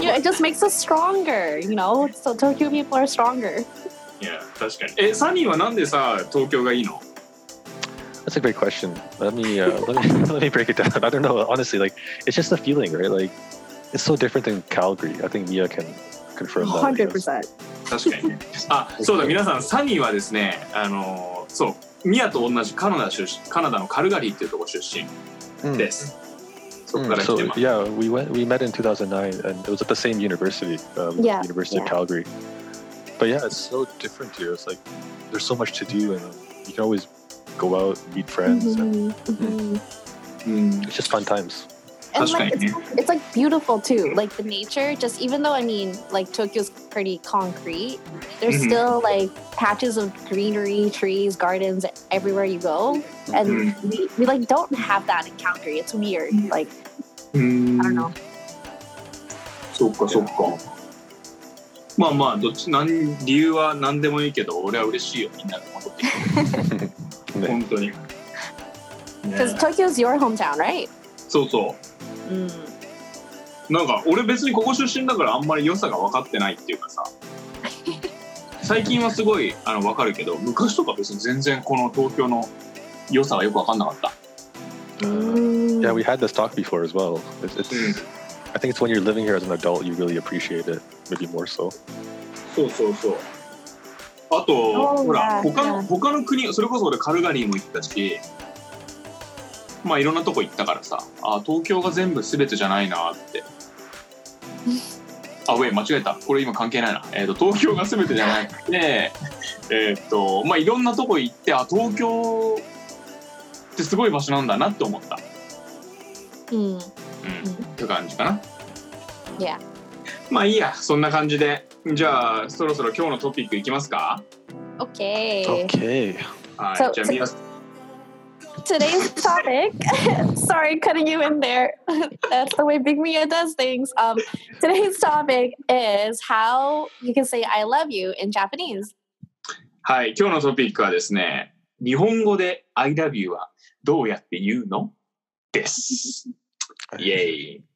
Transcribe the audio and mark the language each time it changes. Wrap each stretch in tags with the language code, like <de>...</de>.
<en>Yeah, it just makes us stronger, you know? So Tokyo people are stronger.</en> <ja>Yeah, 確かに。サニーはなんでさ、東京がいいの？</ja> <en>That's a great question. Let me break it down. I don't know. Honestly, like, it's just the feeling, right? Like, it's so different than Calgary. I think Mia can confirm that. 100%.</en> <ja>確かに。あ、そうだ、皆さん、サニーはですね、そう、ミアと同じカナダのカルガリーっていうところ出身です。</ja> <en>So yeah, we met in 2009, and it was at the same university, University of Calgary. But yeah, it's so different here. It's like, there's so much to do, and you can always... go out, meet friends. It's just fun times. And like, it's like beautiful too. Like the nature, just even though, I mean, like Tokyo's pretty concrete, there's still like patches of greenery, trees, gardens everywhere you go. And we like don't have that in Calgary. It's weird. Like, I don't know.</en> <ja>そっかそっか。まあまあ、どっち、何、理由は何でもいいけど、俺は嬉しいよ、みんなが戻ってきて。</ja> <en>Because Tokyo is your hometown, right?</en> <ja>そうそう。なんか俺別にここ出身だからあんまり良さが分かってないっていうかさ。最近はすごい分かるけど、昔とか別に全然この東京の良さがよく分かんなかった。</ja> <en>Yeah, we had this talk before as well. I think it's when you're living here as an adult, you really appreciate it, maybe more so.</en> <ja>そうそうそう。あと、他の国、それこそ俺カルガリーも行ったし、まあいろんなとこ行ったからさ、あ、東京が全部全てじゃないなって。あ、ウェイ、間違えた。これ今関係ないな。東京が全てじゃなくて、まあいろんなとこ行って、あ、東京ってすごい場所なんだなって思った。って感じかな。</ja> <en>Yeah.</en> <ja>まあいいや、そんな感じで。じゃあそろそろ今日のトピックいきますか。</ja> <en>Okay.</en> <ja>So, じゃあ</ja> <en>today's topic sorry cutting you in there that's the way Big Mia does things. Today's topic is how you can say I love you in Japanese.</en> <ja>はい、今日のトピックはですね、日本語で</ja> <en>I love you</en> <ja>はどうやって言うのです。Yay.</ja>